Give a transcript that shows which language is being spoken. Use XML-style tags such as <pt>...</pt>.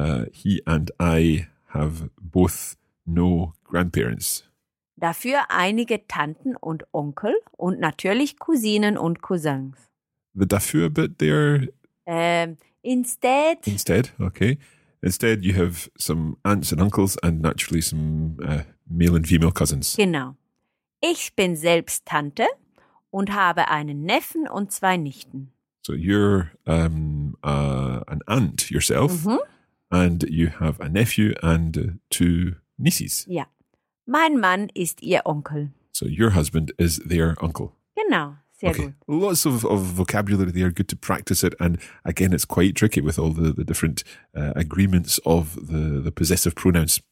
<en>He and I have both no grandparents.</en> <de>Dafür einige Tanten und Onkel und natürlich Cousinen und Cousins.</de> <en>The dafür bit there? Instead. Instead, okay. Instead you have some aunts and uncles and naturally some male and female cousins.</en> <de>Genau. Ich bin selbst Tante und habe einen Neffen und zwei Nichten.</de> <en>So you're an aunt yourself and you have a nephew and two nieces.</en> <de>Ja. Mein Mann ist ihr Onkel.</de> <en>So your husband is their uncle.</en> <de>Genau. Sehr</de> <en>okay.</en> <de>Gut.</de> <en>Lots of vocabulary there. Good to practice it. And again, it's quite tricky with all the different agreements of the possessive pronouns.</en>